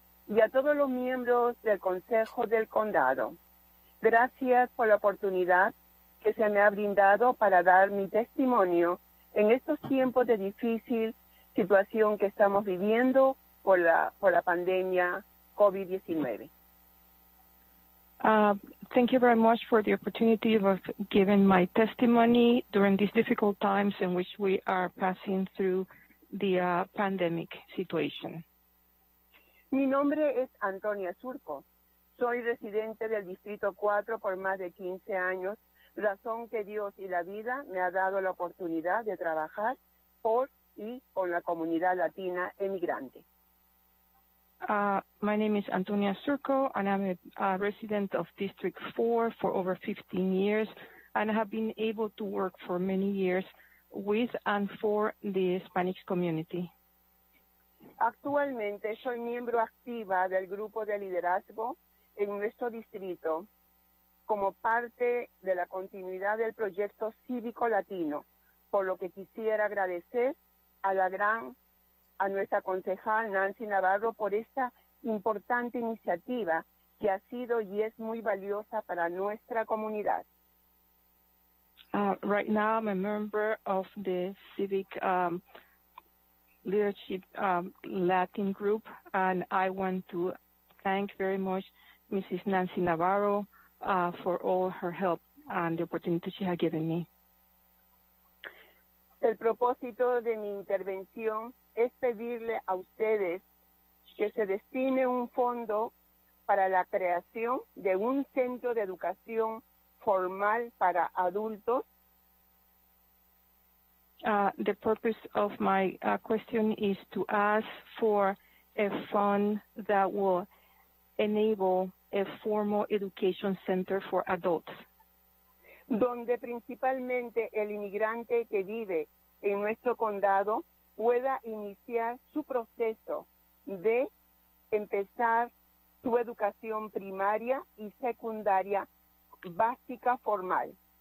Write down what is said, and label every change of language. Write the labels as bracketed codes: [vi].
[es] Y a todos los miembros del Consejo del Condado, gracias por la oportunidad que se me ha brindado para dar mi testimonio en estos tiempos de difícil situación que estamos viviendo por la pandemia COVID-19. [en] Thank you very much for the opportunity of giving my testimony during these difficult times in which we are passing through the pandemic situation. [es] Mi nombre es Antonia Surco. Soy residente del Distrito 4 por más de 15 años, razón que Dios y la vida me ha dado la oportunidad de trabajar por y con la comunidad latina emigrante. [en] My name is Antonia Surco, and I'm a resident of District 4 for over 15 years, and I have been able to work for many years with and for the Spanish community. [es] Actualmente soy miembro activa del grupo de liderazgo en nuestro distrito como parte de la continuidad del proyecto Cívico Latino, por lo que quisiera agradecer a nuestra concejal Nancy Navarro por esta importante iniciativa que ha sido y es muy valiosa para nuestra comunidad. [en] Right now, I'm a member of the Civic Leadership Latin Group, and I want to thank very much Mrs. Nancy Navarro for all her help and the opportunity she has given me. [es] El propósito de mi intervención es pedirle a ustedes que se destine un fondo para la creación de un centro de educación formal para adultos. [en] The purpose of my question is to ask for a fund that will enable a formal education center for adults. [es] Donde principalmente el inmigrante que vive en nuestro condado pueda iniciar su proceso de empezar su educación primaria y secundaria básica formal.